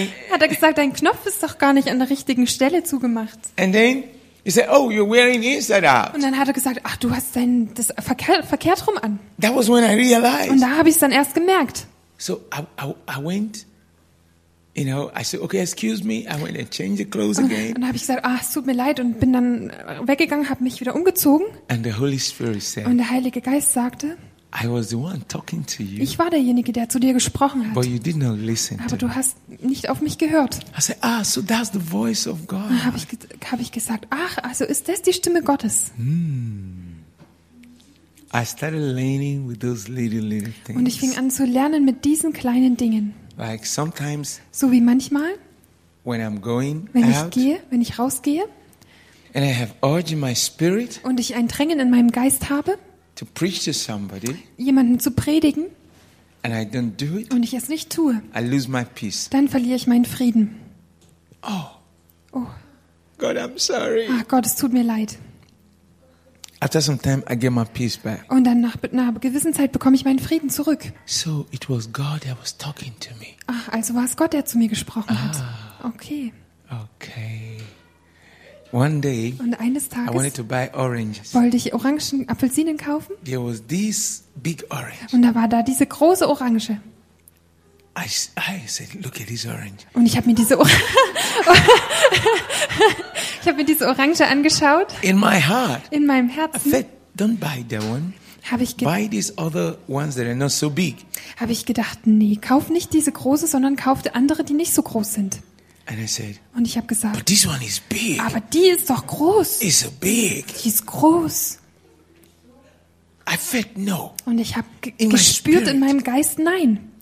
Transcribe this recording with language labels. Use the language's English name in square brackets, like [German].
[German] Hat er gesagt, dein Knopf ist doch gar nicht an der richtigen Stelle zugemacht. [English] And then he said, oh, you're wearing inside out. [German] Und dann hat er gesagt, ach, du hast dein das verkehrt rum an. [English] That was when I realized. [German] Und da habe ich es dann erst gemerkt. [English] So I went, you know, I said, okay, excuse me. I went and changed the clothes [German] und, [English] again. [German] Und habe ich gesagt, ach, es tut mir leid, und bin dann weggegangen, habe mich wieder umgezogen. [English] And the Holy Spirit said. [German] Und der Heilige Geist sagte. [English] I was the one talking to you. [German] Ich war derjenige, der zu dir gesprochen hat. [English] But you did not listen. [German] Aber du hast nicht auf mich gehört. [English] I said, ah, so that's the voice of God. [German] Habe ich gesagt, ach, also ist das die Stimme Gottes? [English] I started learning with those little things. [German] Und ich fing an zu lernen mit diesen kleinen Dingen. [English] Like sometimes. [German] So wie manchmal. [English] When I'm going out. [German] Wenn ich rausgehe. [English] And I have urge in my spirit. [German] Und ich ein Drängen in meinem Geist habe. [English] To preach to somebody, [German] jemanden zu predigen, [English] and I don't do it, [German] und ich es nicht tue, [English] I lose my peace. [German] Dann verliere ich meinen Frieden. Oh. Oh. [English] God, I'm sorry. [German] Ach Gott, es tut mir leid. [English] After some time, I get my peace back. [German] Und dann nach einer gewissen Zeit bekomme ich meinen Frieden zurück. [English] So it was God that was talking to me. [German] Ach, also war es Gott, der zu mir gesprochen hat. Okay. [English] Okay. One day, [German] und eines Tages, [English] I wanted to buy oranges. [German] Wollte ich Orangen, Apfelsinen kaufen. [English] There was this big orange. [German] Und da war da diese große Orange. [English] I said, look at this orange. [German] Und ich habe mir diese Orange angeschaut. [English] In my heart. [German] In meinem Herzen. [English] I said, don't buy that one. Buy these other ones that are not so big. [German] Habe ich gedacht, nee, kauf nicht diese große, sondern kauf die andere, die nicht so groß sind. [English] And I said, [German] und ich habe gesagt, [English] but this one is big. [German] Aber die ist doch groß. [English] It's so big. [German] Die ist groß. [English] I felt no. [German] Und ich habe gespürt in meinem Geist, nein.